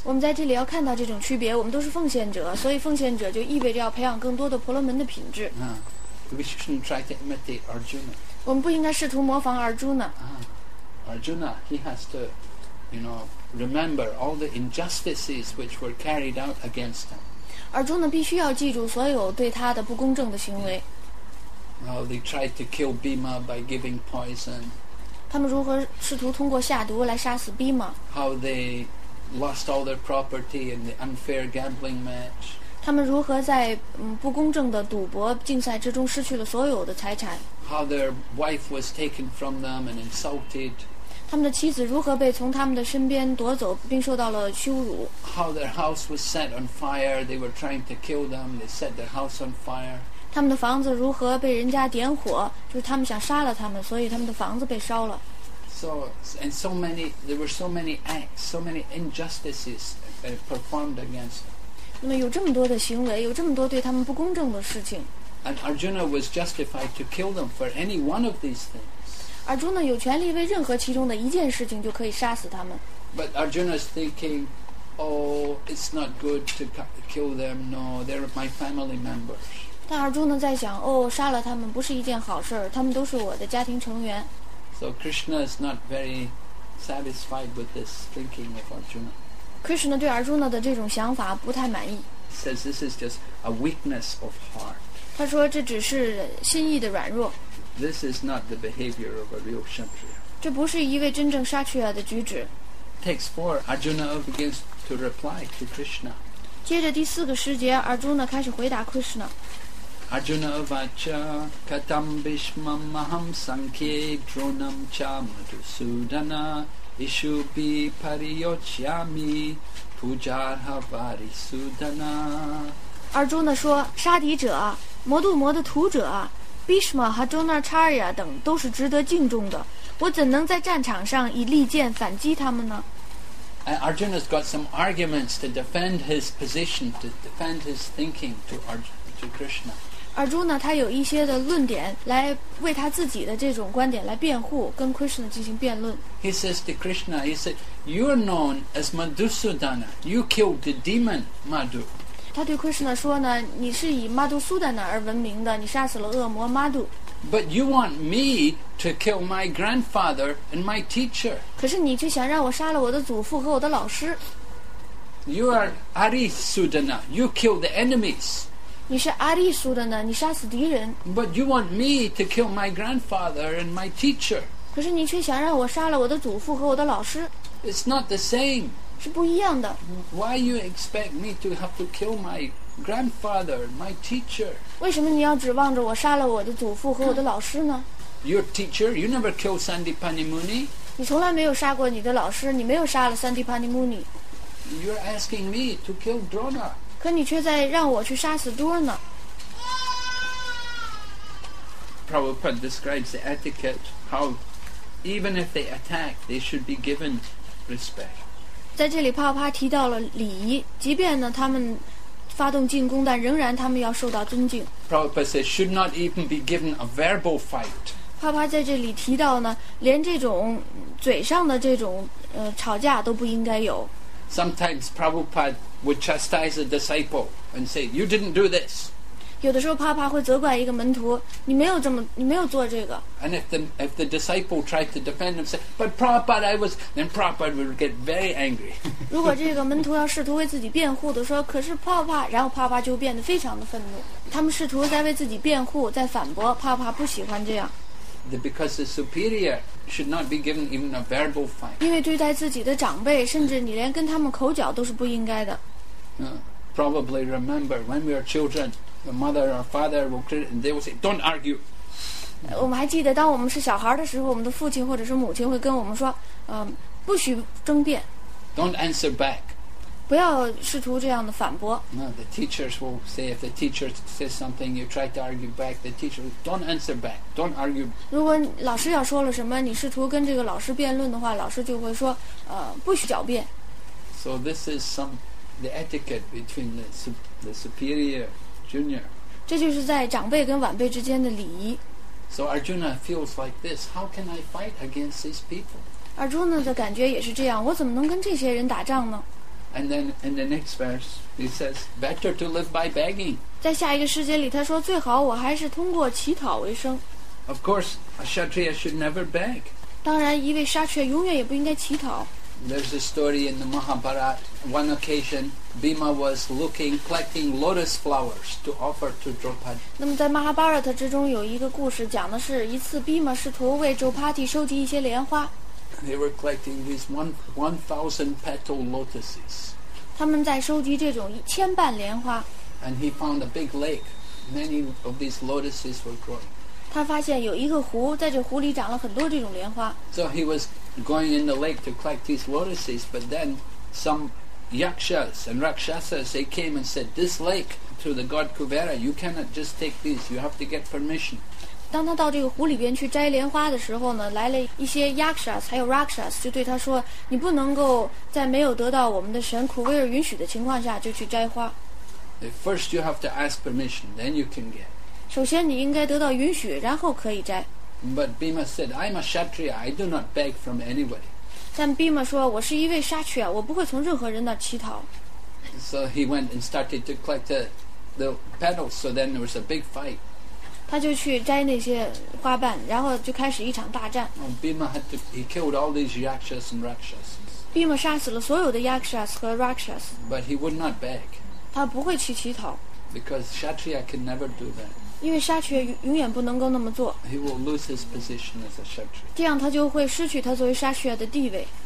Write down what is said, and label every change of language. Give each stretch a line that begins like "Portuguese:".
Chinese: 我们在这里要看到这种区别。我们都是奉献者，所以奉献者就意味着要培养更多的婆罗门的品质。
English: We shouldn't try to imitate Arjuna.
Chinese: 我们不应该试图模仿 Arjuna.
English: Arjuna, he has to, you know, remember all the injustices which were carried out against him.
Chinese: 而中呢必须要记住所有对他的不公正的行为。
English: Well, they tried to kill Bhima by giving poison.
Chinese: 他们如何试图通过下毒来杀死 Bhima?
English: How they lost all their property in the unfair gambling match.
Chinese: 他们如何在不公正的赌博竞赛之中失去了所有的财产。
English: How their wife was taken from them and insulted.
Chinese: 他们的妻子如何被从他们的身边夺走并受到了羞辱
English: How their house was set on fire. They were trying to kill them. They set their house on fire.
Chinese: 他们的房子如何被人家点火就是他们想杀了他们所以他们的房子被烧了
English: So, and so many, there were so many acts, so many injustices performed against them.
Chinese: 那么有这么多的行为，有这么多对他们不公正的事情。
English: And Arjuna was justified to kill them for any one of these things.
Chinese: 阿朱呢有权利为任何其中的一件事情就可以杀死他们。
English: But Arjuna is thinking, oh, it's not good to kill them. No, they're my family members.
Chinese: 但阿朱呢在想，哦，杀了他们不是一件好事，他们都是我的家庭成员。
English: So Krishna is not very satisfied with this thinking of Arjuna.
Chinese: Krishna 对阿朱呢的这种想法不太满意。
English: Says this is just a weakness of heart.
Chinese: 他说这只是心意的软弱。
English: This is not the behavior of a real Kshatriya.
Chinese: 这不是一位真正 Kshatriya 的举止。
English: Text 4, Arjuna begins to reply to Krishna.
Chinese: 接着第四个时节 Arjuna 开始回答 Krishna.
Sanskrit: Arjuna vacha katam bhishmam maham sankhye dronam cha madhusudana ishubhi pariyochyami pujarha varisudana.
Chinese: 阿朱呢说杀敌者魔度魔的徒者啊 Bhishma 和 Dronacharya 等都是值得敬重的，我怎能在战场上以利剑反击他们呢？
English: And Arjuna's got some arguments to defend his position, to defend his thinking to Krishna.
Chinese: 阿朱呢他有一些的论点来为他自己的这种观点来辩护，跟 Krishna 进行辩论。
English: He says to Krishna, he said, you're known as Madhusudana, you killed the demon Madhu.
Chinese: 他对 Krishna 说呢，你是以 Madhusudana 而闻名的，你杀死了恶魔 Madhu。
English: But you want me to kill my grandfather and my teacher.
Chinese: 可是你却想让我杀了我的祖父和我的老师。
English: You are Arisudana, you kill the enemies.
Chinese: 你是 Arisudana, 你杀死敌人。
English: But you want me to kill my grandfather and my teacher.
Chinese: 可是你却想让我杀了我的祖父和我的老师。
English: It's not the same.
Chinese: 是不一样的。
English: Why you expect me to have to kill my grandfather, my teacher?
Chinese: 为什么你要指望着我杀了我的祖父和我的老师呢？
English: Your teacher, you never killed Sandipani Muni.
Chinese: 你从来没有杀过你的老师，你没有杀了 Sandipani Muni.
English: You're asking me to kill Drona.
Chinese: 可你却在让我去杀死 Drona。
English: Prabhupada describes the etiquette how even if they attack, they should be given respect.
Chinese: 在这里帕帕提到了礼仪，即便呢他们发动进攻，但仍然他们要受到尊敬。
English: Prabhupada says should not even be given a verbal fight.
Chinese: 帕帕在这里提到呢，连这种嘴上的这种吵架都不应该有。
English: Sometimes Prabhupada would chastise a disciple and say you didn't do this.
Chinese: 有的时候帕帕会责怪一个门徒，你没有这么，你没有做这个。
English: And if the disciple tried to defend him, said, but Prabhupada, I was, then Prabhupada would get very angry.
Chinese: 如果这个门徒要试图为自己辩护的说，可是帕帕，然后帕帕就变得非常的愤怒。他们试图在为自己辩护，在反驳，帕帕不喜欢这样。
English: Because the superior should not be given even a verbal fight.
Chinese: 因为对待自己的长辈，甚至你连跟他们口角都是不应该的。
English: Probably remember when we are children. The mother or father will criticize, and they will say, "Don't argue."
Chinese: 我们还记得，当我们是小孩的时候，我们的父亲或者是母亲会跟我们说，不许争辩。
English: Don't answer back.
Chinese: 不要试图这样的反驳。
English: No, the teachers will say if the teacher says something, you try to argue back. The teacher will say, don't answer back. Don't argue.
Chinese: 如果老师要说了什么，你试图跟这个老师辩论的话，老师就会说，不许狡辩。
English: So this is the etiquette between the superior. Junior.
Chinese: 这就是在长辈跟晚辈之间的礼仪。
English: So Arjuna feels like this. How can I fight against these people?
Chinese: Arjuna 的感觉也是这样，我怎么能跟这些人打仗呢？
English: And then in the next verse he says better to live by begging.
Chinese: 在下一个世界里他说最好我还是通过乞讨为生。
English: Of course a Kshatriya should never beg.
Chinese: 当然一位 Kshatriya 永远也不应该乞讨。
English: There's a story in the Mahabharata. One occasionBhima was looking, collecting lotus flowers to offer to Draupadi.
Chinese: 那么在 Mahabharata 之中有一个故事，讲的是一次 Bhima 试图为 Draupadi 收集一些莲花。
English: They were collecting these 1,000 petal lotuses.
Chinese: 他们在收集这种千瓣莲花。
English: And he found a big lake. Many of these lotuses were growing.
Chinese: 他发现有一个湖，在这湖里长了很多这种莲花。
English: So he was going in the lake to collect these lotuses, but then someYakshas and Rakshasas, they came and said, this lake to the god Kuvera, you cannot just take these, you have to get permission.
Chinese: 当他到这个湖里边去摘莲花的时候呢，来了一些 Yakshas, 还有 Rakshas, 就对他说，你不能够在没有得到我们的神 Kuvera 允许的情况下就去摘花。
English: First, you have to ask permission, then you can get.
Chinese: 首先你应该得到允许，然后可以摘。
English: But Bhima said, I'm a Kshatriya, I do not beg from anybody.
Chinese: 但 Bhima 说，我是一位 Kshatriya, 我不会从任何人那乞讨。
English: So he went and started to collect the petals, so then there was a big fight.
Chinese: 他就去摘那些花瓣，然后就开始一场大战。
English: Oh, Bhima had to, he killed all these Yakshas and Rakshas.
Chinese: Bhima 杀死了所有的 Yakshas 和 Rakshas.
English: But he would not beg.
Chinese: 他不会去乞讨
English: because Kshatriya can never do that.
Chinese: 因为 Kshatriya 永远不能够那么做
English: He will lose his position as a Kshatriya.
Chinese: 这样他就会失去他作为 Kshatriya 的地位